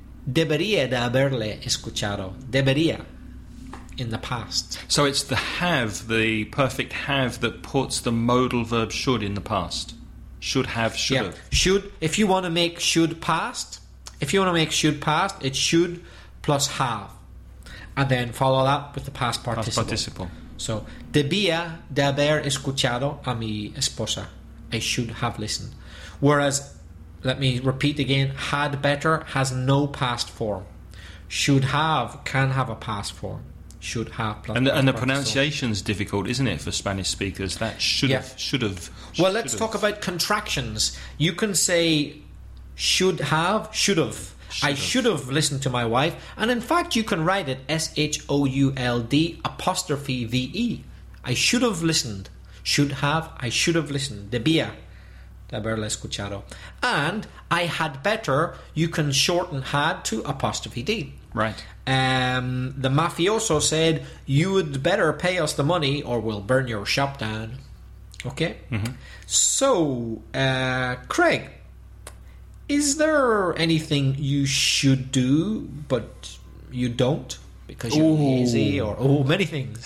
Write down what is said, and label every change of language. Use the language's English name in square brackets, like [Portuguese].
[Spanish] Debería de haberle escuchado. Debería. [English] In the past. So it's the have, the perfect have, that puts the modal verb should in the past. Should have, should have. Yeah. Should, if you want to make should past, if you want to make should past, it's should plus have. And then follow that with the past participle. Past participle. [Spanish] So, debía de haber escuchado a mi esposa. [English] I should have listened. Whereas, let me repeat again, had better has no past form. Should have can have a past form. Should have plus and the pronunciation is difficult, isn't it, for Spanish speakers? That should have, should have. Well, let's talk about contractions. You can say should have, should have. I should have listened to my wife. And in fact, you can write it S-H-O-U-L-D apostrophe V-E. I should have listened. Should have, I should have listened. [Spanish] Debía de haberle escuchado. [English] And I had better, you can shorten had to apostrophe D. Right. The mafioso said, you would better pay us the money or we'll burn your shop down. Okay? Mm-hmm. So, Craig, is there anything you should do but you don't because you're lazy or many things?